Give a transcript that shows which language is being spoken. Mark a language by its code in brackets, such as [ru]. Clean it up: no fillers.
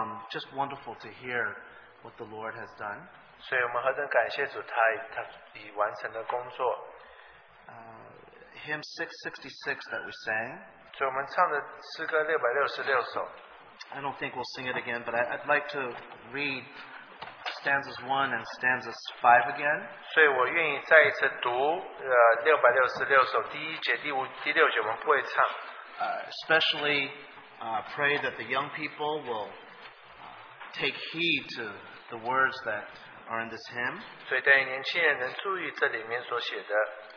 [en] just wonderful to hear what the Lord has done. [zh] 所以我们何等感谢主他已完成的工作。 [en] Hymn 666 that we sang. [zh] 所以我们唱的诗歌666首。 [en] I don't think we'll sing it again, but I'd like to read stanzas 1 and stanzas 5 again. [zh] 所以我愿意再一次读, 666首第一节第五第六节我们不会唱, [en] especially pray that the young people will take heed to the words that are in this hymn. [zh] 所以带年轻人能注意这里面所写的,